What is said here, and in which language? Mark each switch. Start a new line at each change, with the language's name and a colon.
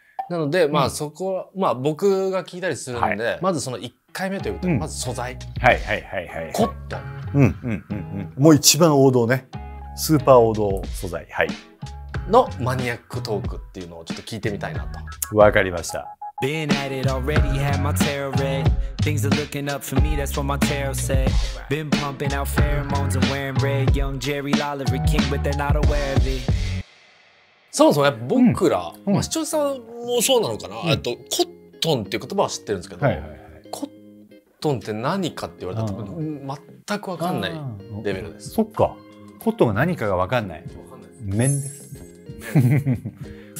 Japanese: なので、まあ、そこは、まあ、僕が聞いたりするので、はい、まずその1回目ということで、うん、まず素材、はいはいはいはい、コットン、うんうんうんうん、もう一番王道ね、スーパー王道素材、はい、のマニアックトークっていうのをちょっと聞いてみたいなと。わかりました。
English: Been at it already, had my tarot read. Things are looking up for me, that's what my tarot said. Been pumping out pheromones and wearing red. Young Jerry Lollary King, but they're not aware of it.
Japanese: そもそもやっぱ僕ら、うん、まあ、視聴者さんもそうなのかな、うん、コットンっていう言葉は知ってるんですけど、はいはいはい、コットンって何かって言われたら全く分かんないレベルです。そっか、コットンが何かが分かんない。分かんないです。綿です。